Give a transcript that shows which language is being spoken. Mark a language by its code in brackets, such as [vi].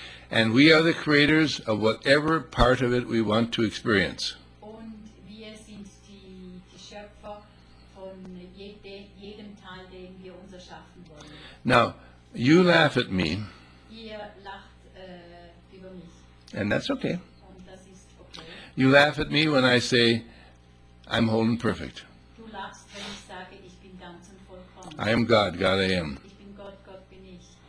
[en] And we are the creators of whatever part of it we want to experience. [de] Und wir sind die Schöpfer von jedem Teil, den wir uns erschaffen wollen. [en] Now, you laugh at me. [de] Ihr lacht über mich. [en] And that's okay. [de] Und das ist okay. [en] You laugh at me when I say, I'm whole and perfect. [de] Du lachst, wenn ich sage, ich bin ganz und vollkommen. [en] I am God, God I am. [de] Ich bin Gott, Gott bin ich.